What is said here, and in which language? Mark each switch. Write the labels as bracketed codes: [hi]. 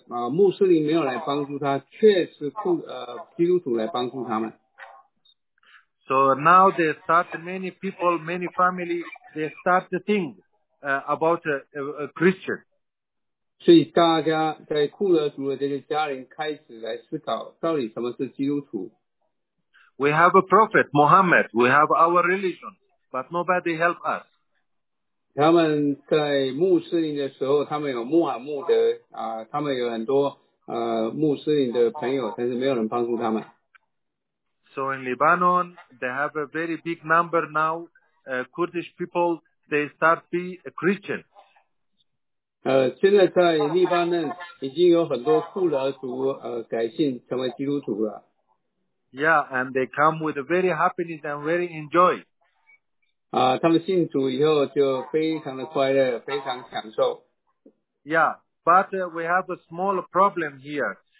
[zh] 穆斯林没有来帮助他，却是基督徒来帮助他们。 [en] So now they start many people, many families, they start to think about a Christian. [zh] 所以大家在库德族的这些家人开始来思考，到底什么是基督徒。 [en] We have a prophet, Muhammad. We have our religion, but nobody help us. [zh] 他们在穆斯林的时候，他们有穆罕默德啊，他们有很多穆斯林的朋友，但是没有人帮助他们。 [en] So in Lebanon, they have a very big number now. Kurdish people, they start be a Christian. [zh] 现在在黎巴嫩已经有很多库德族改信成为基督徒了。 [en] Yeah, and they come with a very happiness and very enjoy. [zh] 他们信主以后就非常的快乐，非常享受。 [en] Yeah, but we have a small problem here.